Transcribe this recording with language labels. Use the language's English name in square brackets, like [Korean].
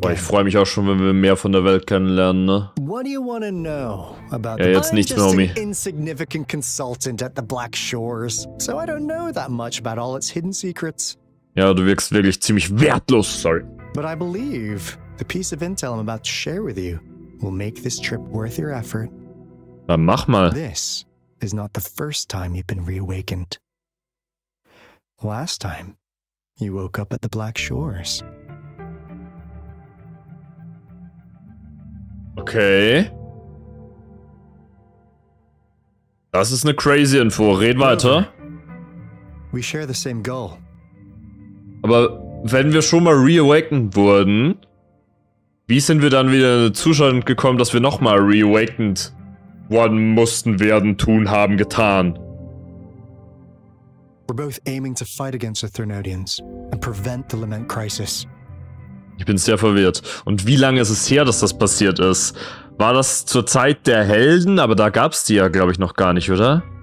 [German] Boah, ich freue mich auch schon, wenn wir mehr von der Welt kennenlernen, ne? [English] What do you want to know about [German] ja, jetzt nicht, Naomi. [English] I'm just an insignificant consultant at the Black Shores, so I don't know that much about all its hidden secrets. [German] Ja, du wirkst wirklich ziemlich wertlos, sorry. [English] But I believe the piece of intel I'm about to share with you will make this trip worth your effort. [German] Dann mach mal. [English] This is not the first time you've been reawakened. Last time... You woke up at the Black Shores. [German] Okay. Das ist eine crazy Info. Red weiter. [English] We share the same goal. [German] Aber wenn wir schon mal reawakened wurden, wie sind wir dann wieder in den Zustand gekommen, dass wir nochmal reawakened worden mussten, werden, tun, haben, getan? [English] We're both aiming to fight against the Threnodians and prevent the Lament Crisis. [German] Ich bin sehr verwirrt. Und wie lange ist es her, dass das passiert ist? War das zur Zeit der Helden? Aber da gab es die ja, glaube ich, noch gar nicht, oder?